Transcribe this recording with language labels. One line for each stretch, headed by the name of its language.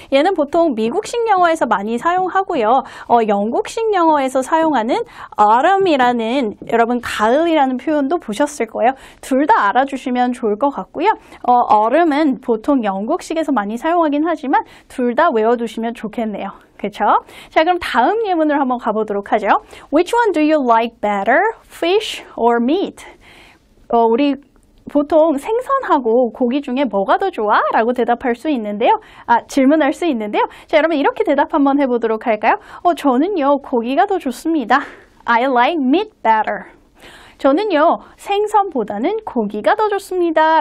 Korean: 얘는 보통 미국식 영어에서 많이 사용하고요. 영국식 영어에서 사용하는 autumn이라는 여러분 가을이라는 표현도 보셨을 거예요. 둘 다 알아주시면 좋을 것 같고요. autumn은 보통 영국식에서 많이 사용하긴 하지만 둘 다 외워두시면 좋겠네요. 그렇죠? 자, 그럼 다음 예문을 한번 가보도록 하죠.
English: Which one do you like better, fish or meat?
Korean: 우리 보통 생선하고 고기 중에 뭐가 더 좋아? 라고 대답할 수 있는데요. 질문할 수 있는데요. 자, 여러분 이렇게 대답 한번 해보도록 할까요? 저는요, 고기가 더 좋습니다.
English: I like meat better.
Korean: 저는요, 생선보다는 고기가 더 좋습니다.